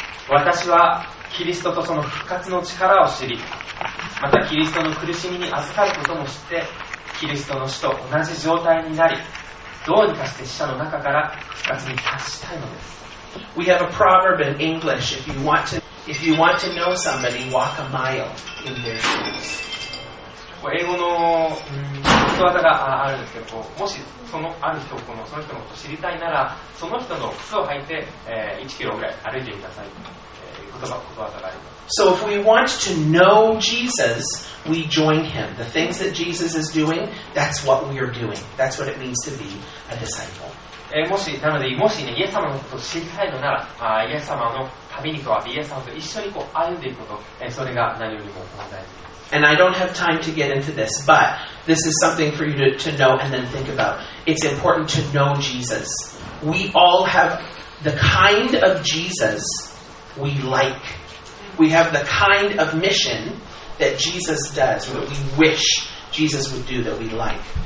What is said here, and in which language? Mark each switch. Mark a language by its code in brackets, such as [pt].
[ja] 私はキリストとその復活の力を知り、またキリストの苦しみに預かることも知って、キリストの死と同じ状態になり、どうにかして死者の中から復活に達したいのです。 [en] We have a proverb in English. If you want to know somebody, walk a mile in their shoes. [ja] 英語のことわざがあるんですけど、もしそのある人このその人のことを知りたいなら、その人の靴を履いて、1キロぐらい歩いてみなさい。ことわざがあります。 [en] So if we want to know Jesus, we join him. The things that Jesus is doing, that's what we are doing. That's what it means to be a disciple. [ja] もしなのでもし、ね、イエス様のことを知りたいのならあイエス様の旅に加わってイエス様と一緒にこう歩んでいくこと、それが何よりも大事です。 [en] And I don't have time to get into this, but this is something for you to know and then think about. It's important to know Jesus. We all have the kind of Jesus we like. We have the kind of mission that Jesus does, what we wish Jesus would do that we like.